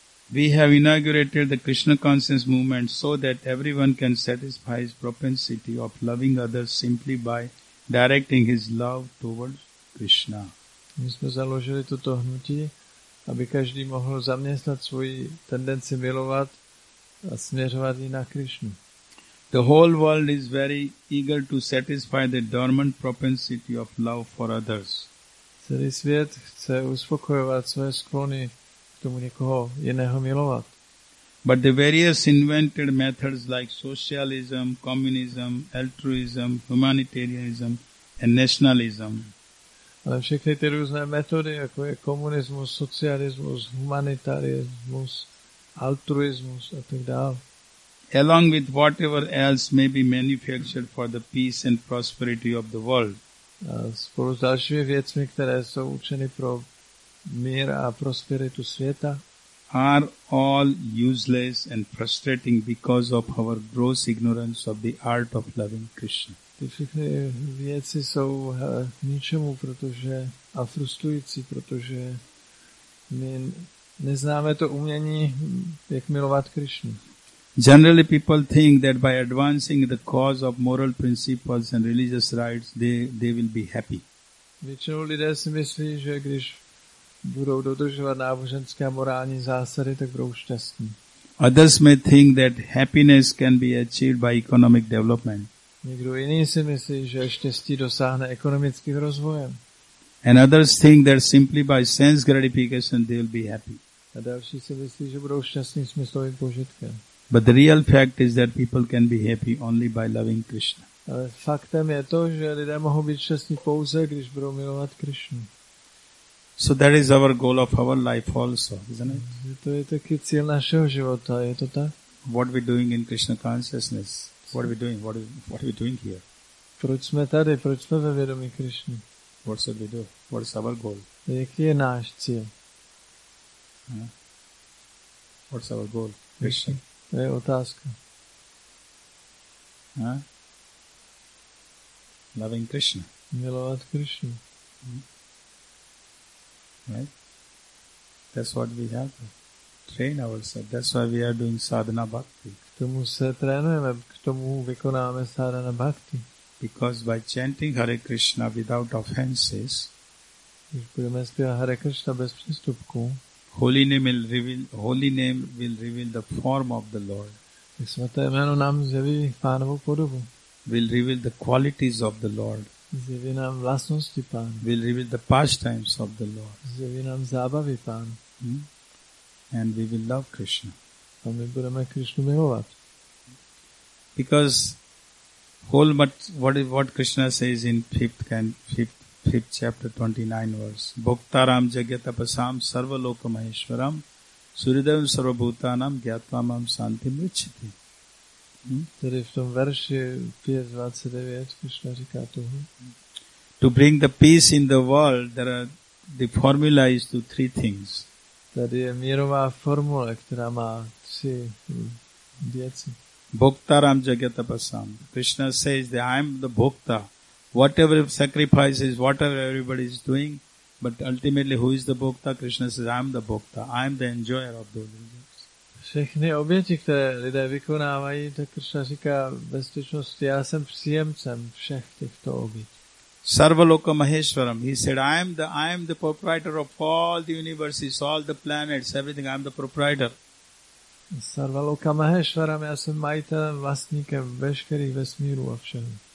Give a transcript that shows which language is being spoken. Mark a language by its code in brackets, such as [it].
[en] We have inaugurated the Krishna consciousness movement so that everyone can satisfy his propensity of loving others simply by directing his love towards Krishna. [cs] My jsme založili toto hnutí, aby každý mohl zaměstnat svoji tendenci milovat a směřovat ji na Krishnu. [en] The whole world is very eager to satisfy the dormant propensity of love for others. [cs] Celý svět chce uspokojovat své sklony k tomu někoho jiného milovat. [en] But the various invented methods like socialism, communism, altruism, humanitarianism and nationalism. [cs] Ale všechny ty různé metody, jako je komunismus, socialismus, humanitarismus, altruismus a tak dále. [en] Along with whatever else may be manufactured for the peace and prosperity of the world. [cs] A spolu s dalšími věcmi, které jsou učeny pro mír a prosperitu světa. [en] Are all useless and frustrating because of our gross ignorance of the art of loving Krishna. [cs] Ty všechny věci jsou ničemu, protože a frustrující, protože my neznáme to umění, jak milovat Krishnu. [en] Generally people think that by advancing the cause of moral principles and religious rights, they will be happy. [cs] Většinou lidé si myslí, že když budou dodržovat náboženské a morální zásady, tak budou šťastní. [en] Others may think that happiness can be achieved by economic development. [cs] Někdo jiný si myslí, že štěstí dosáhne ekonomickým rozvojem. [en] And others think that simply by sense gratification they will be happy. [cs] A další si myslí, že budou šťastní smyslovým požitkem. [en] But the real fact is that people can be happy only by loving Krishna. [cs] Ale faktem je to, že lidé mohou být šťastní pouze, když budou milovat Krishnu. [en] So that is our goal of our life also, isn't it? [cs] To je taky cíl našeho života, je to tak? [en] What are we doing in Krishna consciousness? What are we doing? What are we doing here? [cs] Proč jsme tady? Proč jsme ve vědomí Krishny? [en] What should we do? What is our goal? [cs] Jaký je náš cíl? [en] What's our goal? Krishna. [cs] To je otázka. [en] Loving Krishna. [cs] Milovat Krishna. [en] Right? That's what we have to train ourselves. That's why we are doing sadhana bhakti. [cs] K tomu se trénujeme, k tomu vykonáme sadhana bhakti. [en] Because by chanting Hare Krishna without offenses, [cs] když budeme zpívat Hare Krishna bez přestupků, [en] Holy name will reveal the form of the Lord. [cs] Svaté jméno nám zjeví Pánovu podobu. [en] Will reveal the qualities of the Lord. [cs] Zjeví nám vlastnosti Pán. [en] Will reveal the pastimes of the Lord. [cs] Zjeví nám zábavy Pán. [en] And we will love Krishna. [cs] A my budeme Krishnu milovat. [en] Because whole much what Krishna says in fifth chapter 29 verse. [sa] Bhoktaram jagyatapasam sarva loka maheshwaram suridevam sarva bhutanam gyatvamam santim ruchiti. [cs] Tady v tom verši 5.29 Krishna říká toho. [en] To bring the peace in the world, the formula is to three things. [cs] Tady je mírová formule, která má tři věci. [sa] Bhoktaram jagyatapasam. [en] Krishna says that I am the bhokta. Whatever sacrifices, whatever everybody is doing, but ultimately who is the bhokta? Krishna says, I am the bhokta. I am the enjoyer of those things. [cs] Všechny oběti, které lidé vykonávají, tak Krishna říká, ve skutečnosti já jsem příjemcem všech těchto obětí. [sa] Sarva loka maheshwaram. [en] He said, I am the proprietor of all the universes, all the planets, everything. I am the proprietor. [sa] Sarva loka maheshwaram. [cs] Já jsem majitelem, vlastníkem veškerých vesmíru a všeho.